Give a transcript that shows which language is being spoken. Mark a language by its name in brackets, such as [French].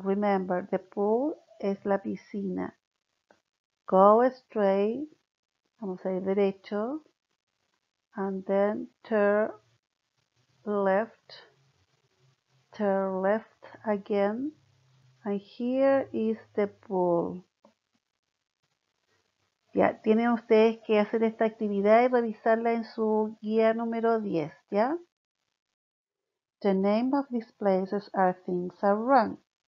[English] Remember, the pool [Spanish] es la piscina. [English] Go straight, [Spanish] vamos a ir derecho, [English] and then turn left. Turn left again, and here is the pool. [Spanish] Ya, tienen ustedes que hacer esta actividad y revisarla en su guía número 10, ¿ya? [English] The name of these places are things are wrong.